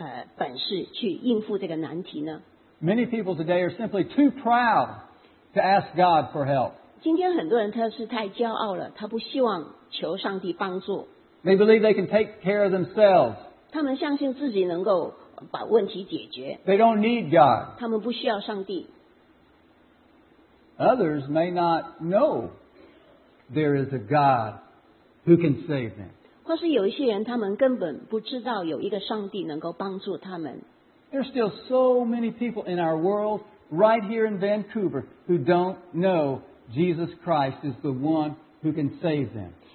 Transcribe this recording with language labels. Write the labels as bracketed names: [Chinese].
[Chinese] 你有向上帝呼求吗？或是你靠自己的能力，你自己的本事去应付这个难题呢？ [English] Many people today are simply too proud to ask God for help. [Chinese] 今天很多人他是太骄傲了，他不希望求上帝帮助。 [English] They believe they can take care of themselves. [Chinese] 他们相信自己能够 [English] They don't need God. [Chinese] 他们不需要上帝。 [English] Others may not know there is a God who can save them. [Chinese] 或是有一些人他们根本不知道有一个上帝能够帮助他们。 [English] There are still so many people in our world right here in Vancouver who don't know Jesus Christ is the one who can save them.